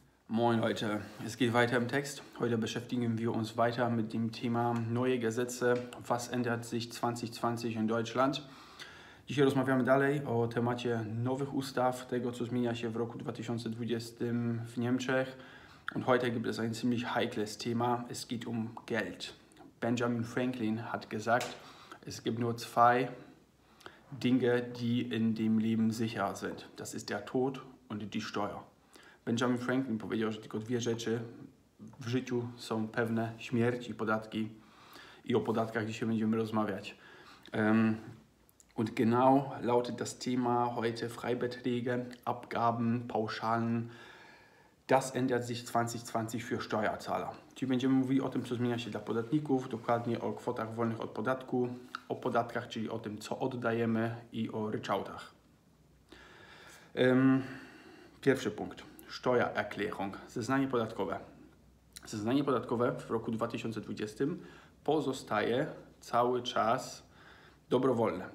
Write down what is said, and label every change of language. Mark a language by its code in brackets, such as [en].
[de] Moin Leute, es geht weiter im Text. Heute beschäftigen wir uns weiter mit dem Thema neue Gesetze. Was ändert sich 2020 in Deutschland? [pl] Dzisiaj rozmawiamy dalej o temacie nowych ustaw, tego co zmienia się w roku 2020 w Niemczech. [de] Und heute gibt es ein ziemlich heikles Thema. Es geht um Geld. Benjamin Franklin hat gesagt, es gibt nur zwei Dinge, die in dem Leben sicher sind. Das ist der Tod und die Steuer. [pl] Benjamin Franklin powiedział, że tylko dwie rzeczy w życiu są pewne, śmierć i podatki. I o podatkach dzisiaj będziemy rozmawiać. [de] Und genau lautet das Thema heute Freibeträge, Abgaben, Pauschalen. Das ändert sich 2020 für Steuerzahler. [pl] Czyli będziemy mówili o tym, co zmienia się dla podatników, dokładnie o kwotach wolnych od podatku, o podatkach, czyli o tym, co oddajemy i o ryczałtach. Pierwszy punkt. Steuererklärung, zeznanie podatkowe. Zeznanie podatkowe w roku 2020 pozostaje cały czas dobrowolne.